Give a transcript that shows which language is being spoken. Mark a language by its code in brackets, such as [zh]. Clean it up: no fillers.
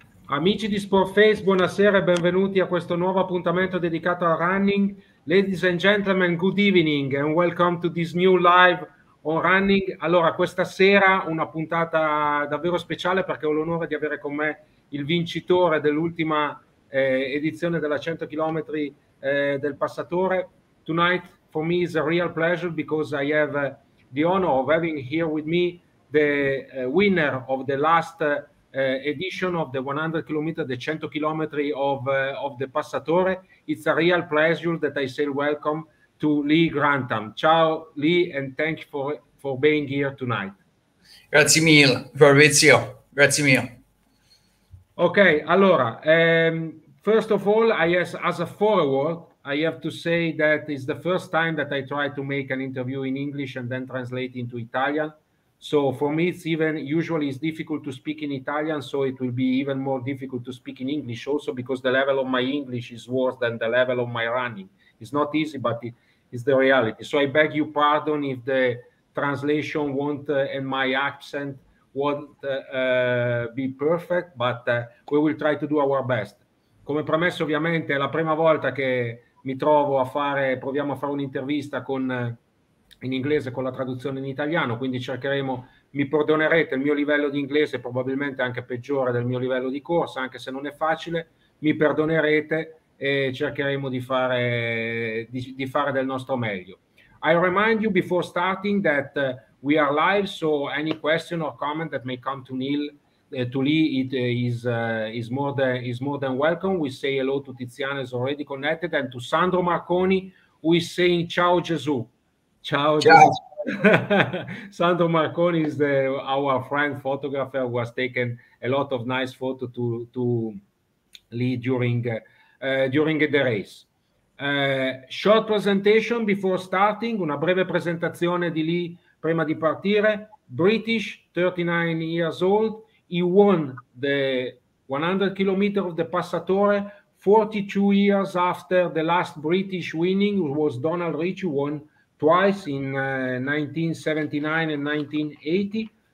[it] Amici di Sportface, buonasera e benvenuti a questo nuovo appuntamento dedicato al running. [en] Ladies and gentlemen, good evening and welcome to this new live on running. [it] Allora, questa sera una puntata davvero speciale perché ho l'onore di avere con me il vincitore dell'ultima edizione della 100 km del Passatore. [en] Tonight for me is a real pleasure because I have the honor of having here with me the winner of the last edition of the 100 km, the 100 km of the Passatore. It's a real pleasure that I say welcome to Lee Grantham. Ciao Lee and thank you for being here tonight. [it] Grazie mille, Fabrizio. Grazie [en] Ok, allora, first of all, as a forward, I have to say that it's the first time that I try to make an interview in English and then translate into Italian. So for me, usually it's difficult to speak in Italian, so it will be even more difficult to speak in English also because the level of my English is worse than the level of my running. It's not easy, but it's the reality. So I beg you pardon if the translation won't and my accent won't be perfect, but we will try to do our best. [it] Come premesso, ovviamente, è la prima volta che mi trovo a fare, proviamo a fare un'intervista in inglese con la traduzione in italiano, quindi cercheremo, mi perdonerete, il mio livello di inglese è probabilmente anche peggiore del mio livello di corsa, anche se non è facile, mi perdonerete e cercheremo di fare del nostro meglio. [en] I remind you before starting that we are live, so any question or comment that may come to Lee, is more than welcome. We say hello to Tiziana, is already connected, and to Sandro Marconi, who is saying [it] ciao Gesù. Ciao Gesù. Ciao. [en] Sandro Marconi is our friend photographer who has taken a lot of nice photos to Lee during the race. Short presentation before starting, [it] una breve presentazione di Lee prima di partire. [en] British, 39 years old, he won the 100 km of the Passatore 42 years after the last British winning, who was Donald Ritchie, won twice in 1979 and 1980.